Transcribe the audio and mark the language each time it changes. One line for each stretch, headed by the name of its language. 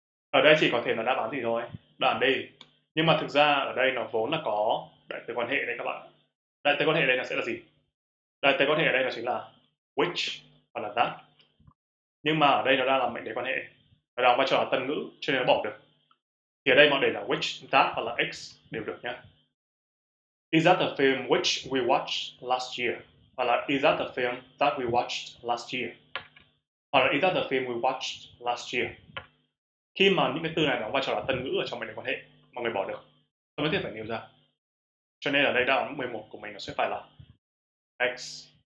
Vietnamese: Ở đây chỉ có thể là đáp án gì thôi? Đáp án D. Nhưng mà thực ra ở đây nó vốn là có đại từ quan hệ đấy các bạn. Đại từ quan hệ ở đây nó sẽ là gì? Đại từ quan hệ ở đây nó chính là which hoặc là that. Nhưng mà ở đây nó đang là mệnh đề quan hệ. Nó đang vai trò là tân ngữ cho nên nó bỏ được. Thì ở đây mọi đề là which, that hoặc là x đều được nhé.
English: Is that the film which we watched last year?
Vietnamese: Hoặc là
English: is that the film that we watched last year?
Vietnamese: Hoặc là
English: is that the film we watched last year?
Vietnamese: Khi mà những cái từ này đóng vai trò là tân ngữ ở trong mệnh đề quan hệ, mọi người bỏ được. Không nhất thiết phải nêu ra. Cho nên ở đây đáp án 11 của mình nó sẽ phải là X.